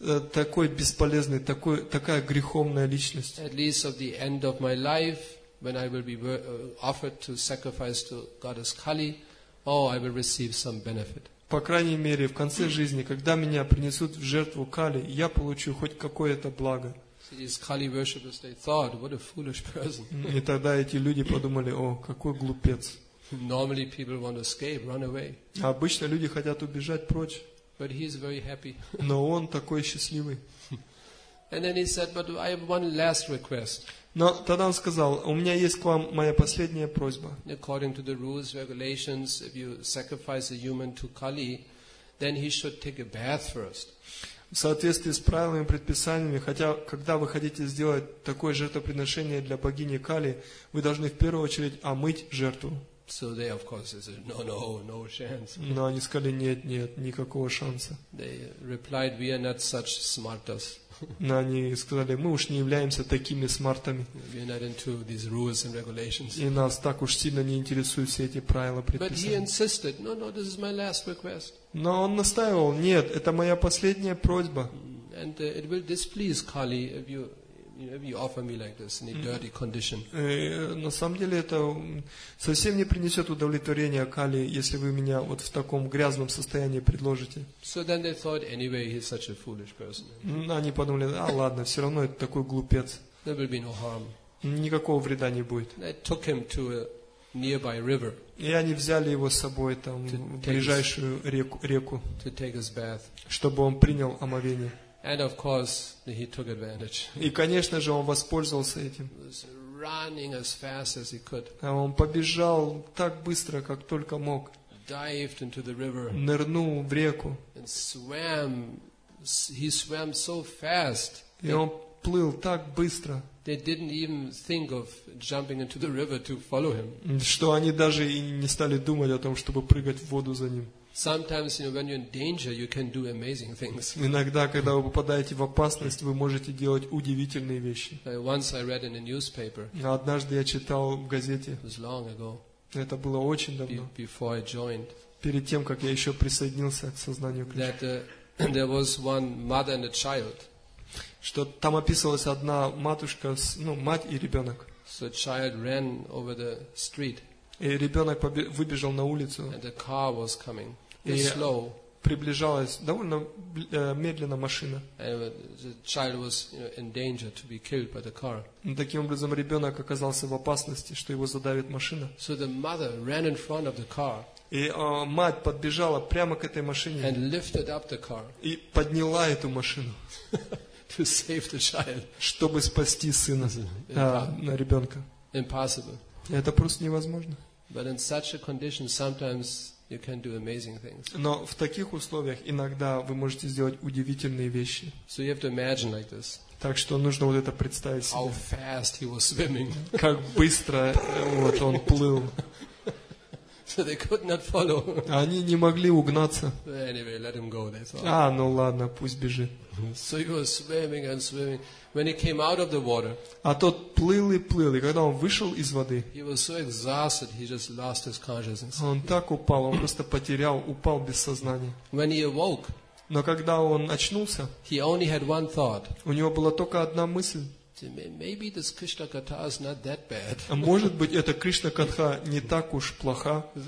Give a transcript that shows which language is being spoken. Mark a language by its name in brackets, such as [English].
[Russian] Такой бесполезный, такая греховная личность. [English] At least of the end of my life, when I will be offered to sacrifice to goddess Kali, oh, I will receive some benefit. [Russian] По крайней мере, в конце жизни, когда меня принесут в жертву Кали, я получу хоть какое-то благо. [English] These Kali worshippers, they thought, what a foolish person. [Russian] И тогда эти люди подумали, о, какой глупец. [English] Normally people want to escape, run away. [Russian] Обычно люди хотят убежать прочь. [English] But he is very happy. [Russian] Но он такой счастливый. [English] And then he said, but I have one last request. [Russian] Но тогда он сказал, у меня есть к вам моя последняя просьба. [English] According to the rules, regulations, if you sacrifice a human to Kali, then he should take a bath first. [Russian] В соответствии с правилами и предписаниями, хотя, когда вы хотите сделать такое жертвоприношение для богини Кали, вы должны в первую очередь омыть жертву. [English] So they, of course, said, no, no, no chance. [Russian] Но они сказали, нет, нет, никакого шанса. [English] They replied, we are not such smartas. [Russian] Но они сказали, мы уж не являемся такими смартами. [English] We are not into these rules and regulations. [Russian] И нас так уж сильно не интересуют все эти правила предписания. [English] But he insisted, no, no, this is my last request. [Russian] Но он настаивал, нет, это моя последняя просьба. [English] And it will displease Kali if you... Maybe you offer me like this in a dirty condition. [Russian] На самом деле это совсем не принесет удовлетворения Кали, если вы меня вот в таком грязном состоянии предложите. [English] So then they thought, anyway, he's such a foolish person. [Russian] Они подумали, а ладно, все равно это такой глупец. [English] There will be no harm. [Russian] Никакого вреда не будет. [English] They took him to a nearby river. [Russian] И они взяли его с собой там в ближайшую реку. [English] To take his bath. [Russian] Чтобы он принял омовение. [English] And of course, he took advantage. [Russian] И, конечно же, он воспользовался этим. [English] He was running as fast as he could. [Russian] А он побежал так быстро, как только мог. [English] Dived into the river. [Russian] Нырнул в реку. [English] And swam. He swam so fast. [Russian] И он плыл так быстро. [English] They didn't even think of jumping into the river to follow him. [Russian] Что они даже и не стали думать о том, чтобы прыгать в воду за ним. [English] Sometimes, you know, when you're in danger, you can do amazing things. [Russian] Иногда, когда вы попадаете в опасность, вы можете делать удивительные вещи. [English] Once I read in a newspaper. [Russian] Однажды я читал в газете. [English] It was long ago. [Russian] Это было очень давно. [English] Before I joined. [Russian] Перед тем, как я еще присоединился к сознанию Кришны. [English] That there was one mother and a child. [Russian] Что там описывалась одна матушка, ну, мать и ребенок. [English] So a child ran over the street. [Russian] И ребенок выбежал на улицу. [English] And the car was coming. [Russian] И [English] slow. [Russian] Приближалась довольно медленно машина. [English] And the child was, you know, in danger to be killed by the car. [Russian] Таким образом, ребенок оказался в опасности, что его задавит машина. [English] So the mother ran in front of the car. [Russian] И мать подбежала прямо к этой машине. [English] And lifted up the car. [Russian] И подняла эту машину. [English] To save the child. [Russian] Чтобы спасти сына, на ребенка. [English] Impossible. [Russian] Это просто невозможно. [English] But in such a condition, sometimes you can do amazing things. [Russian] Но в таких условиях иногда вы можете сделать удивительные вещи. [English] So you have to imagine like this. [Russian] Так что нужно вот это представить себе. [English] How fast he was swimming. [Russian] Как быстро вот он плыл. [English] So they could not follow. [Russian] Они не могли угнаться. [English] But anyway, let him go, they thought. [Russian] А, ну ладно, пусть бежит. [English] So he was swimming and swimming. When he came out of the water, [Russian] а тот плыл и плыл, и когда он вышел из воды, [English] he was so exhausted, he just lost his consciousness. [Russian] Он так упал, он просто потерял, упал без сознания. [English] When he awoke, [Russian] но когда он очнулся, [English] he only had one thought. [Russian] У него была только одна мысль. [English] Maybe this Krishna Katha is not that bad. [Russian] Может быть, эта Кришна Катха не так уж плоха.